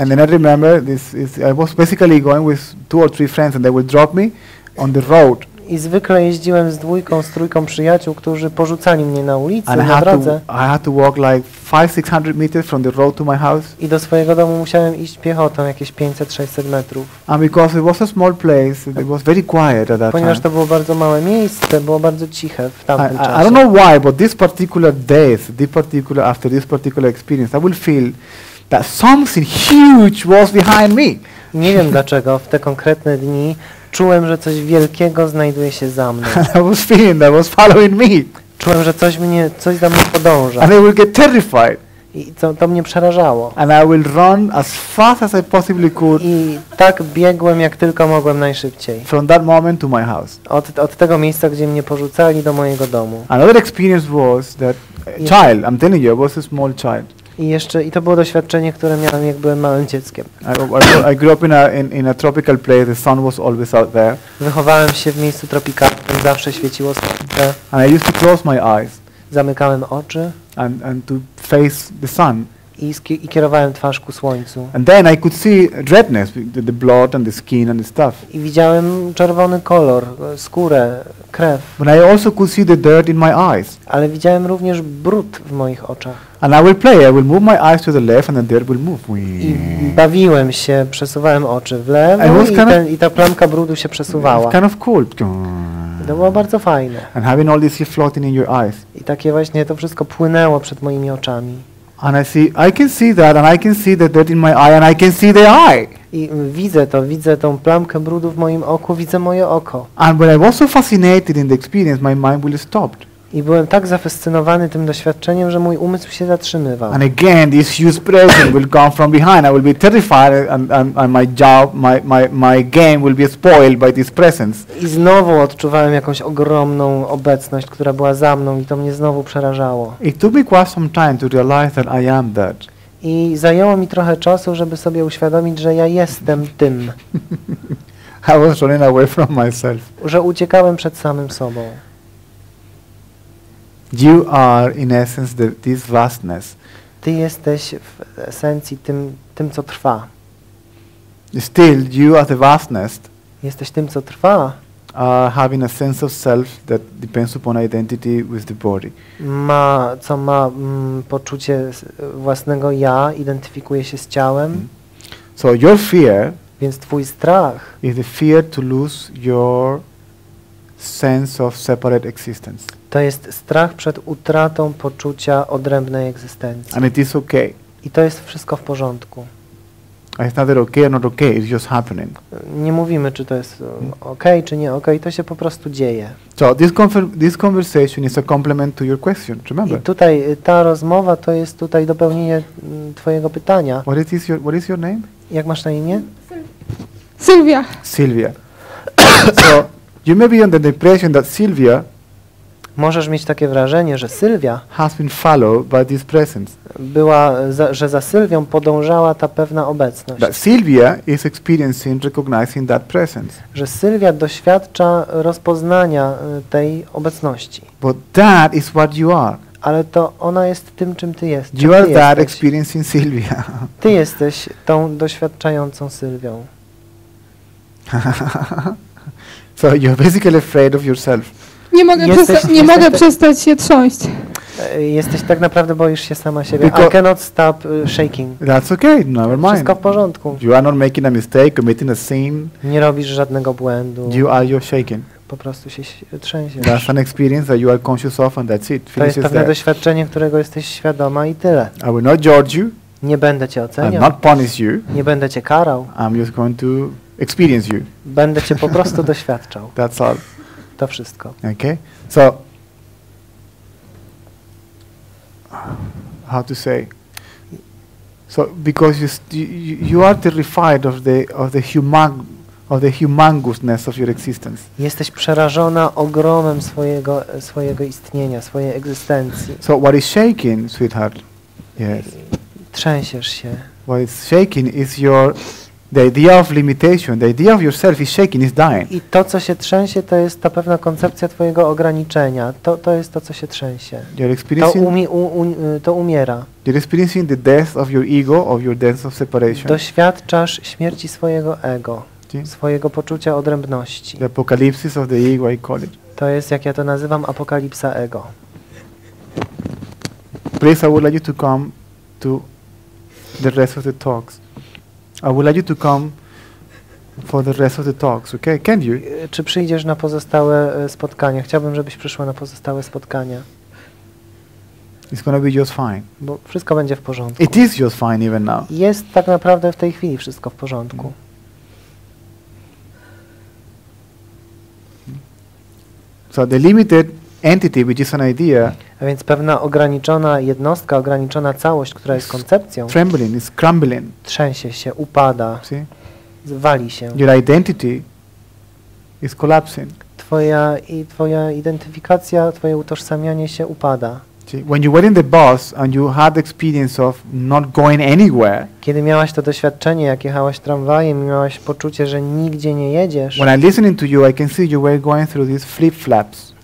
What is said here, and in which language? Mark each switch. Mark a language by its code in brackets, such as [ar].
[en] And then I remember this is I was basically going with two or three friends and they would drop me on the road. [pl] I zwykle jeździłem z trójką przyjaciół, którzy porzucali mnie na ulicy, and na drodze. [en] I had to walk like 500-600 meters from the road to my house. [pl] I do swojego domu musiałem iść piechotą jakieś 500-600 metrów. [en] And because it was a small place, it was very quiet at that time. [pl] Ponieważ to było bardzo małe miejsce, było bardzo ciche w tamtym czasie. [en] I don't know why, but this particular day, after this particular experience, I will feel that something huge was behind me. [pl] Nie wiem dlaczego w te konkretne dni czułem, że coś wielkiego znajduje się za mną. [en] That was feeling, that was following me. [pl] czułem, że coś mnie, coś za mną podąża. [en] And I will get terrified. [pl] I to, to mnie przerażało. [en] And I will run as fast as I possibly could. [pl] I tak biegłem, jak tylko mogłem najszybciej. [en] From that moment to my house. [pl] Od tego miejsca, gdzie mnie porzucali, do mojego domu. [en] Another experience was that child. I'm telling you, I was a small child. [pl] I jeszcze, i to było doświadczenie, które miałem, jak byłem małym dzieckiem. [en] I grew up in a tropical place. The sun was always out there. [pl] Wychowałem się w miejscu tropikalnym, zawsze świeciło słońce. [en] And I used to close my eyes. [pl] Zamykałem oczy. [en] And to face the sun. [pl] I kierowałem twarz ku słońcu. [en] And then I could see redness, the blood and the skin and the stuff. [pl] I widziałem czerwony kolor, skórę, krew. [en] But I also could see the dirt in my eyes. [pl] Ale widziałem również brud w moich oczach. [en] And I will play. I will move my eyes to the left, and the dirt will move. [pl] I bawiłem się, przesuwałem oczy w lewo, i ta plamka brudu się przesuwała. [en] Kind of cool. [pl] To było bardzo fajne. [en] And having all this here floating in your eyes. [pl] I takie właśnie to wszystko płynęło przed moimi oczami. [en] And I can see that, and I can see the dirt in my eye, and I can see the eye. [pl] I widzę to, widzę tą plamkę brudu w moim oku, widzę moje oko. [en] And when I was so fascinated in the experience, my mind will stop. [pl] I byłem tak zafascynowany tym doświadczeniem, że mój umysł się zatrzymywał. [en] And again, this huge pressure will come from behind. I will be terrified, and my job, my game will be spoiled by this presence. [pl] I znowu odczuwałem jakąś ogromną obecność, która była za mną, i to mnie znowu przerażało. [en] It took me quite some time to realize that I am that. [pl] I zajęło mi trochę czasu, żeby sobie uświadomić, że ja jestem tym. [en] I was running away from myself. [pl] Że uciekałem przed samym sobą. [en] You are in essence this vastness. [pl] Ty jesteś w esencji tym co trwa. [en] Still you are the vastness. [pl] Jesteś tym co trwa. [en] Having a sense of self that depends upon identity with the body. [pl] Ma poczucie własnego ja, identyfikuje się z ciałem. [en] So your fear. [pl] Więc twój strach. [en] Is the fear to lose your sense of separate existence. [pl] To jest strach przed utratą poczucia odrębnej egzystencji. [en] And it is okay. [pl] I to jest wszystko w porządku. [en] It's neither okay nor okay, it's just happening. [pl] Nie mówimy, czy to jest okay, czy nie okay, to się po prostu dzieje. [en] So this conversation is a complement to your question, remember? [pl] I tutaj ta rozmowa to jest tutaj dopełnienie twojego pytania. [en] What is your name? [pl] Jak masz na imię? Sylwia. Sylwia. [en] So you may be under the impression that Sylwia. [pl] Możesz mieć takie wrażenie, że Sylwia [en] has been followed by this presence. [pl] Była, że za Sylwią podążała ta pewna obecność. [en] That Sylwia is experiencing, recognizing that presence. [pl] Że Sylwia doświadcza rozpoznania tej obecności. [en] But that is what you are. [pl] Ale to ona jest tym, czym ty jesteś. [en] You are that experiencing Sylwia. [pl] Ty jesteś tą doświadczającą Sylwią. [en] So you're basically afraid of yourself. [pl] Nie mogę przestać się trząść. Jesteś tak naprawdę boisz się sama siebie. [en] Because I cannot stop shaking. That's okay, never mind. [pl] Wszystko w porządku. [en] You are not making a mistake, committing a sin. [pl] Nie robisz żadnego błędu. [en] You're shaking. [pl] Po prostu się trzęsiesz. [en] That's an experience that you are conscious of and that's it. [pl] Finish to jest pewne [en] there. [pl] Doświadczenie, którego jesteś świadoma i tyle. [en] I will not judge you. [pl] Nie będę cię oceniał. [en] I will not punish you. [pl] Nie będę cię karał. [en] I'm just going to experience you. [pl] Będę cię po prostu doświadczał. [en] That's all. [pl] To wszystko. [en] Okay. So how to say? So because you are terrified of the humongousness of your existence. [pl] Jesteś przerażona ogromem swojego istnienia, swojej egzystencji. [en] So what is shaking, sweetheart? Yes. [pl] Trzęsiesz się. [en] What is shaking is your the idea of limitation, the idea of yourself is shaking, is dying. [pl] I to, co się trzęsie, to jest ta pewna koncepcja twojego ograniczenia. To jest to, co się trzęsie. [en] You're experiencing [pl] to umiera. [en] You're experiencing the death of your ego, of your death of separation. [pl] Doświadczasz śmierci swojego ego, swojego poczucia odrębności. [en] The apocalypse of the ego, I call it. [pl] To jest, jak ja to nazywam, apokalipsa ego. [en] Please, I would like you to come to the rest of the talks. I would like you to come for the rest of the talks, okay? Can you? [pl] Czy przyjdziesz na pozostałe spotkania? Chciałbym, żebyś przyszła na pozostałe spotkania. [en] It's gonna be just fine. [pl] Bo wszystko będzie w porządku. [en] It is just fine even now. [pl] Jest tak naprawdę w tej chwili wszystko w porządku. [en] So the limited entity, which is an idea. [pl] A więc pewna ograniczona jednostka, ograniczona całość, która jest koncepcją. [en] Trembling, is crumbling. [pl] Trzęsie się, upada. Wali się. [en] Your identity is collapsing. [pl] Twoja identyfikacja, twoje utożsamianie się upada. [en] When you were in the bus and you had the experience of not going anywhere. [pl] Kiedy miałaś to doświadczenie, jak jechałaś tramwajem, miałaś poczucie, że nigdzie nie jedziesz. [en] When I listening to you, I can see you were going through these flip-flops.